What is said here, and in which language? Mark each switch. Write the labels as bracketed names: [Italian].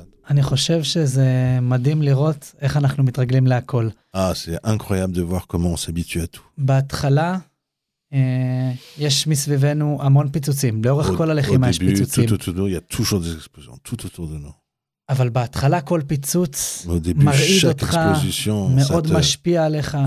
[Hebrew] אני חושב שזה מדהים לראות איך אנחנו מתרגלים להכל. [French] C'est incroyable de voir comment on s'habitue à tout. [Hebrew] בהתחלה, יש מסביבנו המון פיצוצים. לאורך כל הלחימה יש פיצוצים. [French] Il y a toujours des explosions, tout autour de nous. [Hebrew] אבל בהתחלה כל פיצוץ מרעיד אותך, מאוד משפיע עליך.